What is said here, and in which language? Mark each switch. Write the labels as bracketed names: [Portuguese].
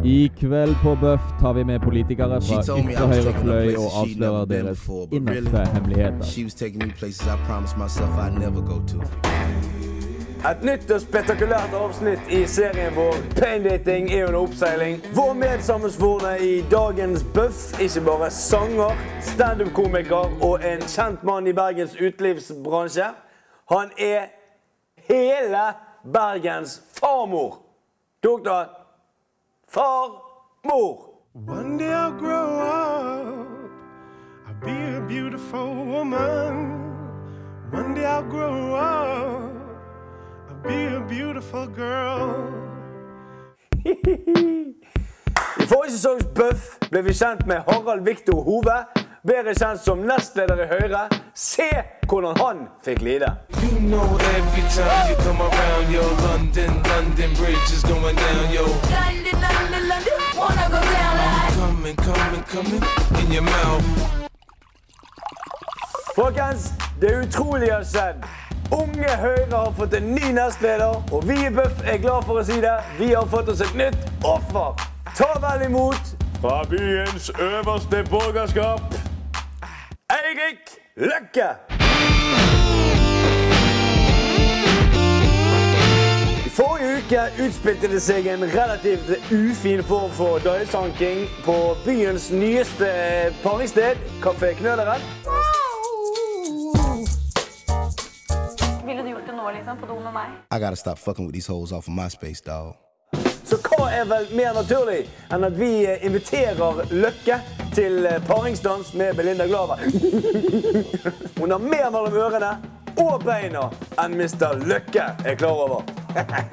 [Norwegian] I kveld på Bøff tar vi med politikere fra ytre høyre fløy og avslører deres innerste hemmeligheter. [English] She was taking me places I promised myself I'd never go to. [Norwegian] Et nytt og spektakulært avsnitt i serien vår Pain Dating er under oppseiling. Vår medsammensvorne i dagens Bøff, ikke bare sanger, stand-up-komiker og en kjent mann i Bergens utelivsbransje. Han er hele Bergens farmor. Doktor, farmor. [English] One day I'll grow up, I'll be a beautiful woman. One day I'll grow up, be a beautiful girl. [Norwegian] I forrige sesongs Bøff ble vi kjent med Harald Victor Hove, bedre kjent som nestleder i Høyre. Se hvordan han fikk lide. [English] You know every time you come around, yo, London, London Bridge is going down, yo. London, London, London, wanna go down like. I'm coming, coming, coming in your mouth. [Norwegian] Folkens, det utrolige har skjedd. Unge Høyre har fått en ny nestleder, og vi i Bøff er glad for å si det. Vi har fått oss et nytt offer. Ta vel imot fra byens øverste borgerskap, Eirik Løkke! I forrige uke utspilte det seg en relativt ufin form for dagsanking på byens nyeste paringssted, Café Knøleren. [English] I gotta stop fucking with these hoes off of MySpace, dog. [Norwegian] Så hva er vel mer naturlig enn at vi inviterer Løkke til paringsdans med Belinda Glava? Hun har mer mellom ørene og beina enn Mr. Løkke er klar over.